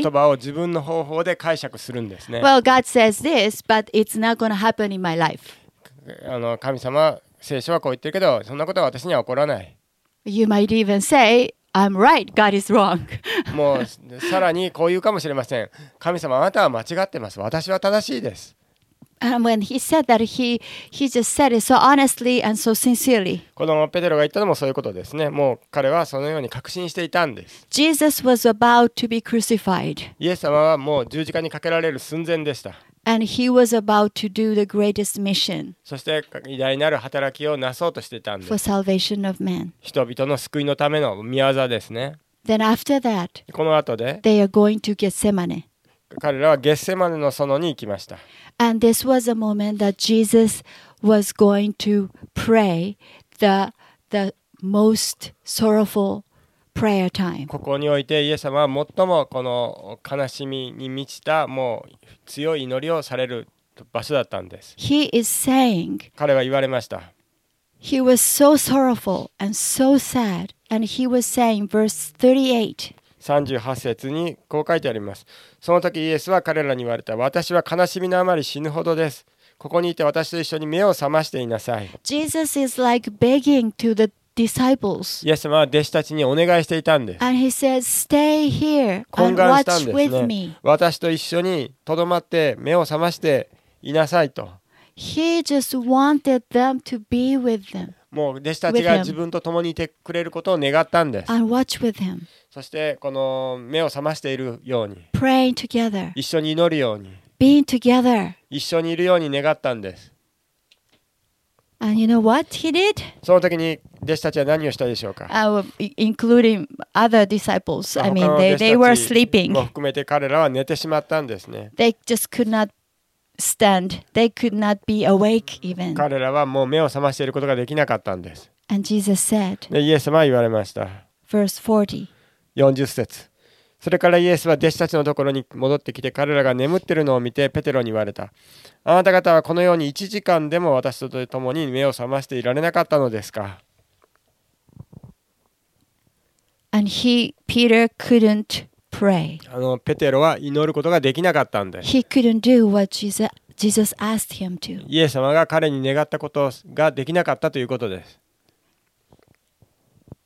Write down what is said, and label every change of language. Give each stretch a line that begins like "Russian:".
Japanese: 神様の言葉を自分の方法で解釈するんですね。
English: Well, God says this, but it's not going to happen in my life.
Japanese: 神様、聖書はこう言ってるけど、そんなことは私には起こらない。
English: You might even say,I'm right. God is wrong.
Japanese: もうさらにこう言うかもしれません。神様、あなたは間違ってます。私は正しいです。
English: And when he said that, he just said it so honestly and so sincerely.
Japanese: このペテロが言ったのもそういうことですね。もう彼はそのように確信していたんです。
English: Jesus was about to be crucified.
Japanese: イエス様はもう十字架にかけられる寸前でした。
English: And he was about to do the greatest mission.
Japanese: そして偉大なる働きをなそうとしていたんです。
English: For salvation of men.
Japanese: 人々の救いのための御業ですね。
English: Then after that,
Japanese: この後で、
English: they are going to Gethsemane.
Japanese: 彼らはゲッセマネの園に行きました。
English: And this was a moment that Jesus was going to pray the most sorrowful. Prayer time.
Japanese: ここにおいてイエス様は最もこの悲しみに満ちたもう強い祈りをされる場所だったんです。
English: He is saying,
Japanese: 彼は言われました。
English: He was so sorrowful and so sad, and he was saying, verse 38.
Japanese: 38節にこう書いてあります。その時イエスは彼らに言われた。私は悲しみのあまり死ぬほどです。ここにいて私と一緒に目を覚ましていなさい。
English: Jesus is like begging to the disciples.
Japanese: イエス様は弟子たちにお願いしていたんです。
English: And he says, stay here and watch with me.
Japanese: 私と一緒に留まって目を覚ましていなさいと。
English: He just wanted them to be with them.
Japanese: もう弟子たちが自分と共にいてくれることを願ったんです。
English: And watch with him.
Japanese: そしてこの目を覚ましているように。
English: Praying together.
Japanese: 一緒に祈るように。
English: Being together.
Japanese: 一緒にいるように願ったんです。
English: And you know what he did?
Japanese: その時に弟子たちは何をしたでしょうか？
English: Including other disciples. I mean, they were sleeping.
Japanese: も含めて彼らは寝てしまったんですね。
English: They just could not stand. They could not be awake even.
Japanese: 彼らはもう目を覚ましていることができなかったんです。
English: And Jesus said.
Japanese: で、イエス様は言われました。
English: Verse 40.
Japanese: 40節。それからイエスは弟子たちのところに戻ってきて、彼らが眠っているのを見てペテロに言われた。あなた方はこのように1時間でも私と共に目を覚ましていられなかったのですか。
English: And he, Peter, couldn't pray.
Japanese: あのペテロは祈ることができなかったんです
English: 。He couldn't do what Jesus asked him to.
Japanese: イエス様が彼に願ったことができなかったということです。